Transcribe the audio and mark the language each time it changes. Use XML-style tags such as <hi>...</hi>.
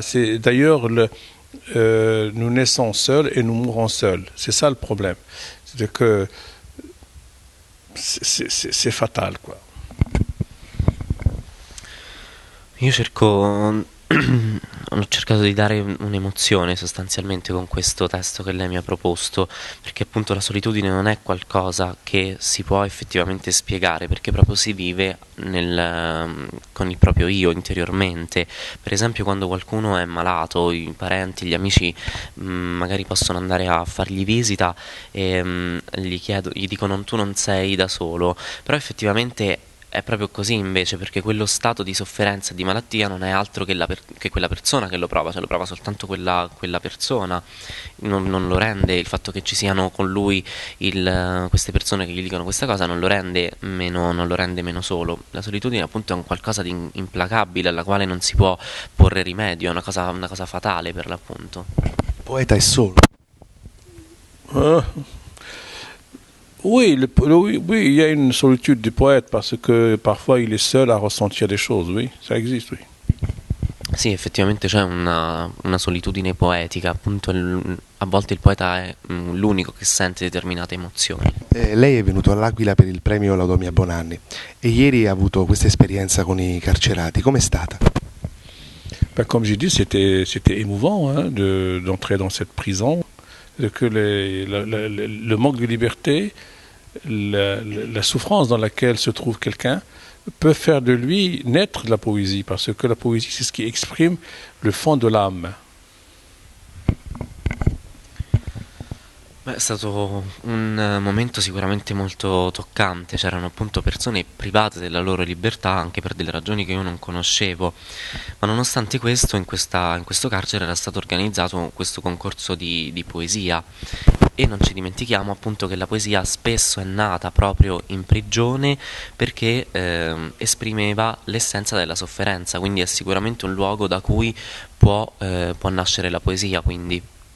<fr>C'est d'ailleurs, nous naissons seuls et nous mourons seuls. C'est ça le problème. C'est-à-dire que c'est fatal, quoi.</fr> <it>Io cerco, ho cercato di dare un'emozione sostanzialmente con questo testo che lei mi ha proposto, perché appunto la solitudine non è qualcosa che si può effettivamente spiegare, perché proprio si vive con il proprio io interiormente. Per esempio, quando qualcuno è malato, i parenti, gli amici magari possono andare a fargli visita e gli dicono: tu non sei da solo, però effettivamente è proprio così invece, perché quello stato di sofferenza, di malattia, non è altro che quella persona che lo prova, cioè lo prova soltanto quella persona, non lo rende, il fatto che ci siano con lui queste persone che gli dicono questa cosa non lo rende meno solo. La solitudine appunto è un qualcosa di implacabile alla quale non si può porre rimedio, è una cosa fatale per l'appunto. Il poeta è solo.</it> <fr>Oui, il y a une solitude du poète parce que parfois il est seul à ressentir des choses, oui, ça existe, oui.</fr> <it>Sì, effettivamente c'è una solitudine poetica, appunto a volte il poeta è l'unico che sente determinate emozioni. Lei è venuto all'Aquila per il premio Laudomia Bonanni e ieri ha avuto questa esperienza con i carcerati, com'è stata?</it> <fr>Beh, come j'ai dit, c'était émouvant hein, d'entrer dans cette prison. Que le manque de liberté, la souffrance dans laquelle se trouve quelqu'un peut faire de lui naître de la poésie, parce que la poésie, c'est ce qui exprime le fond de l'âme.</fr> <it>Beh, è stato un momento sicuramente molto toccante, c'erano appunto persone private della loro libertà anche per delle ragioni che io non conoscevo, ma nonostante questo in questo carcere era stato organizzato questo concorso di poesia e non ci dimentichiamo appunto che la poesia spesso è nata proprio in prigione perché esprimeva l'essenza della sofferenza, quindi è sicuramente un luogo da cui può nascere la poesia, quindi...</it>